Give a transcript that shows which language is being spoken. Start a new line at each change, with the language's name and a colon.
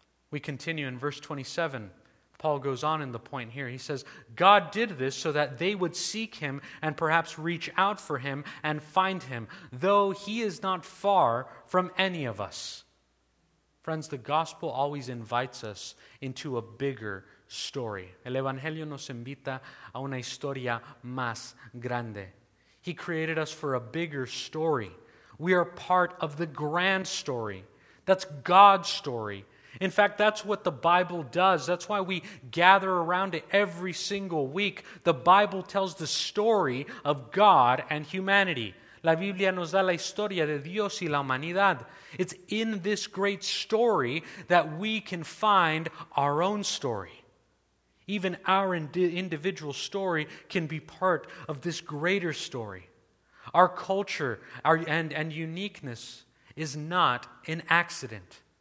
English: We continue in verse 27. Paul goes on in the point here. He says, God did this so that they would seek him and perhaps reach out for him and find him, though he is not far from any of us. Friends, the gospel always invites us into a bigger story.
Spanish: El Evangelio nos invita a una historia más grande.
English: He created us for a bigger story. We are part of the grand story. That's God's story. In fact, that's what the Bible does. That's why we gather around it every single week. The Bible tells the story of God and humanity.
Spanish: La Biblia nos da la historia de Dios y la humanidad.
English: It's in this great story that we can find our own story. Even our individual story can be part of this greater story. Our culture and uniqueness is not an accident.